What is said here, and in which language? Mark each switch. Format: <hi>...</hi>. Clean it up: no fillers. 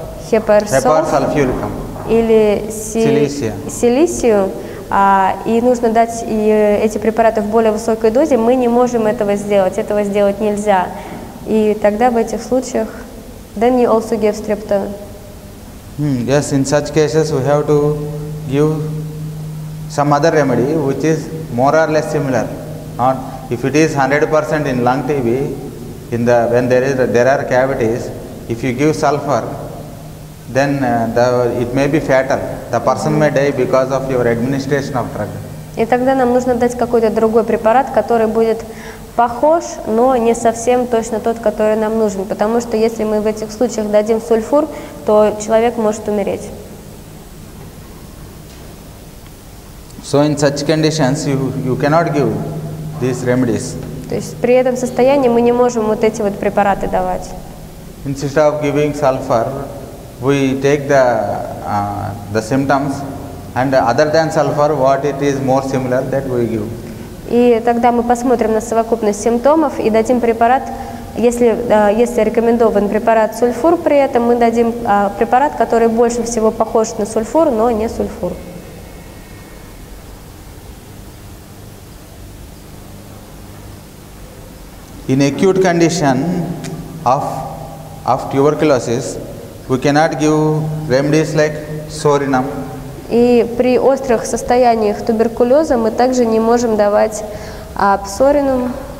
<ru>хепарсульфуриком или силисию. И нужно дать эти препараты в более высокой дозе, мы не можем этого сделать нельзя. И тогда в этих случаях,</ru> <en>then you also give strepto. Yes, in such cases we have to give some other remedy which is more or less similar. Not, if it is 100% in lung TB, when there are cavities, if you give sulfur, then it may be fatal. The person may die because of your administration of drug.</en> <ru>И тогда нам нужно дать какой-то другой препарат, который будет похож, но не совсем точно тот, который нам нужен. Потому что если мы в этих случаях дадим сульфур, то человек может умереть.</ru> <en>So in such conditions you cannot give these remedies.</en> <ru>То есть при этом состоянии мы не можем вот эти вот препараты давать.</ru> <en>Instead of giving sulfur, we take the symptoms, and other than sulfur, what it is more similar that we give.</en> <ru>И тогда мы посмотрим на совокупность симптомов и дадим препарат, если рекомендован препарат сульфур, при этом мы дадим препарат, который больше всего похож на сульфур, но не сульфур.</ru> <en>In acute condition of tuberculosis, we cannot give remedies like sorinam.</en> <ru>И при острых состояниях туберкулеза мы также не можем давать псоринум.</ru>